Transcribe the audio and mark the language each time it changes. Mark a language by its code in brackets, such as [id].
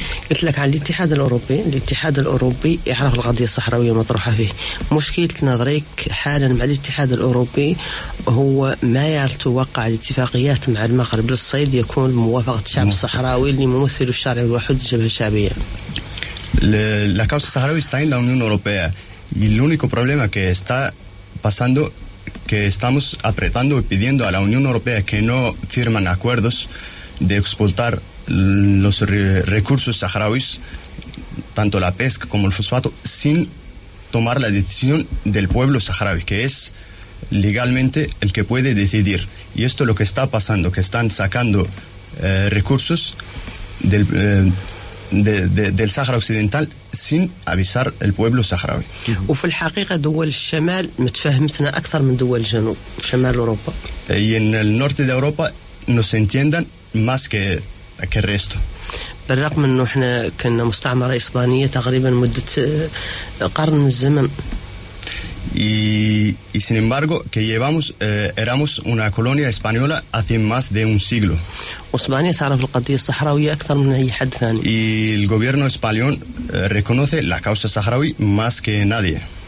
[ar] قلت لك على الاتحاد الأوروبي يعرف القضية الصحراوية مطروحة فيه. مشكلة نظريك حالا مع الاتحاد الأوروبي هو ما يتوقع الاتفاقيات مع المغرب للصيد يكون موافقة الشعب الصحراوي اللي ممثل الشارع الوحيد الجبهة الشعبية. [es] La causa saharaui está en la Unión Europea y el único problema que está pasando, que estamos apretando y pidiendo a la Unión Europea que no firman acuerdos de exportar los recursos saharauis, tanto la pesca como el fosfato, sin tomar la decisión del pueblo saharaui, que es legalmente el que puede decidir. Y esto es lo que está pasando, que están sacando recursos del Sahara Occidental sin avisar al pueblo saharaui. [ar] وفي الحقيقة دول الشمال متفهمتنا أكثر من دول الجنوب شمال أوروبا. [es] Y en el norte de Europa nos entiendan más que el resto. [ar] بالرغم إنه إحنا كنا مستعمرة إسبانية تقريبا مدة قرن من الزمن. [es] Y sin embargo que llevamos éramos una colonia española hace más de un siglo. [ar] وإسبانيا تعرف القضية الصحراوية أكثر من أي حد ثاني. [es] Y el gobierno español reconoce la causa saharaui más que nadie.